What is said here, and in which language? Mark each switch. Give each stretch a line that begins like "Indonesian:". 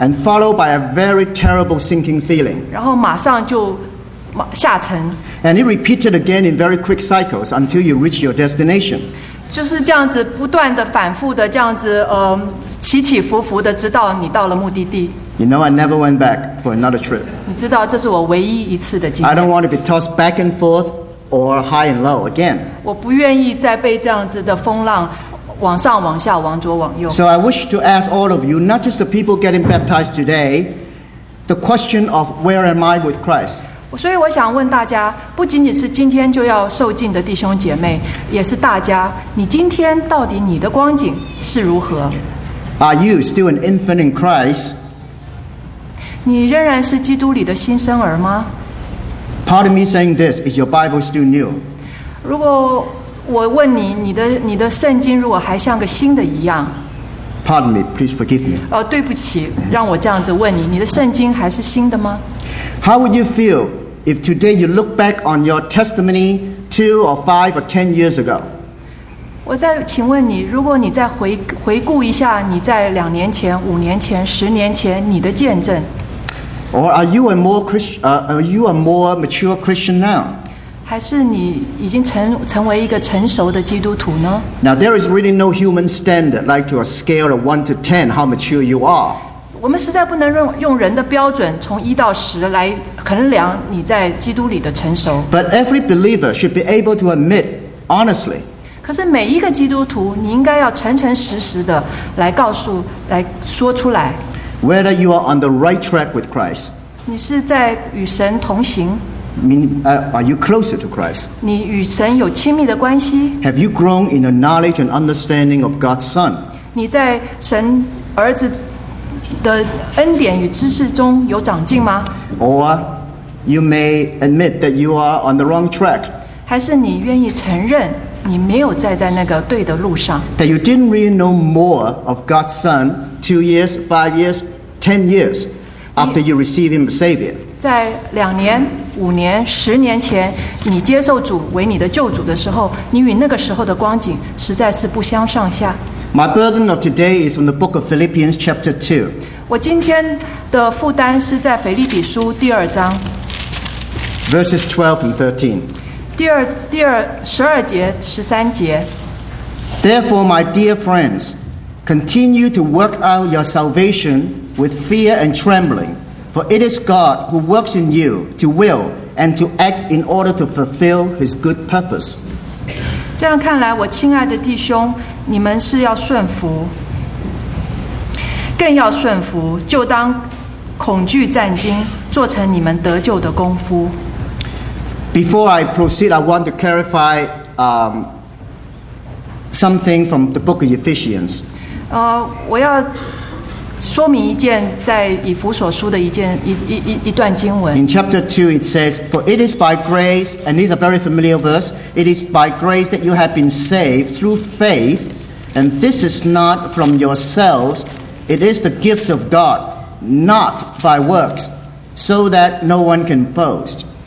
English: And followed by a very terrible sinking feeling.
Chinese: 然后马上就下沉。
English: And it repeated again in very quick cycles until you reach your destination.
Chinese: 就是这样子不断的反复的这样子起起伏伏的，直到你到了目的地。
English: You know, I never went back for another trip.
Chinese: 你知道这是我唯一一次的经验。
English: I don't want to be tossed back and forth or high and low again.
Chinese: 我不愿意再被这样子的风浪往上往下往左往右。
English: So I wish to ask all of you, not just the people getting baptized today, the question of where am I with Christ?
Chinese: 所以我想问大家，不仅仅是今天就要受浸的弟兄姐妹，也是大家，你今天到底你的光景是如何？
English: Are you still an infant in Christ?
Chinese: 你仍然是基督里的新生儿吗？
English: Pardon me saying this, is your Bible still new?
Chinese: 如果我问你，你的圣经如果还像个新的一样？
English: Pardon me, please forgive me.
Chinese: 对不起，让我这样子问你，你的圣经还是新的吗？
English: How would you feel if today you look back on your testimony 2 or 5 or 10 years ago?
Chinese: 我再请问你，如果你再回顾一下你在两年前、五年前、十年前你的见证。
English: Or are you a more mature Christian now?
Chinese: 还是你已经成为一个成熟的基督徒呢？
English: Now there is really no human standard like to a scale of 1 to 10 how mature you are.
Chinese: 我们实在不能用人的标准从一到十来衡量你在基督里的成熟。
English: But every believer should be able to admit honestly.
Chinese: 可是每一个基督徒，你应该要诚诚实实的来告诉、来说出来。
English: Whether you are on the right track with Christ.
Chinese: 你是在与神同行。
English: Are you closer to Christ?
Chinese: 你与神有亲密的关系。
English: Have you grown in the knowledge and understanding of God's Son?
Chinese: 你在神儿子的恩典与知识中有长进吗？
English: Or you may admit that you are on the wrong track.
Chinese: 还是你愿意承认你没有在那个对的路上？
English: That you didn't really know more of God's Son 2 years, 5 years, 10 years after you received Him as Savior.
Chinese: 在两年、五年、十年前，你接受主为你的救主的时候，你与那个时候的光景实在是不相上下。
English: My burden of today is from the book of Philippians chapter 2.
Chinese: 我今天的负担是在腓立比书第二章。
English: Verses 12 and 13.
Chinese: 12节、13节。
English: Therefore, my dear friends, continue to work out your salvation with fear and trembling, for it is God who works in you to will and to act in order to fulfill his good purpose.
Chinese: 这样看来，我亲爱的弟兄，你们是要顺服，更要顺服，就当恐惧战惊，做成你们得救的功夫。
English: Before I proceed, I want to clarify something from the book of Ephesians.
Chinese: 我要说明一件在以弗所书的一段经文。
English: In chapter 2 it says, For it is by grace, and this is a very familiar verse, it is by grace that you have been saved through faith, and this is not from yourselves, it is the gift of God, not by works, so that no one can boast.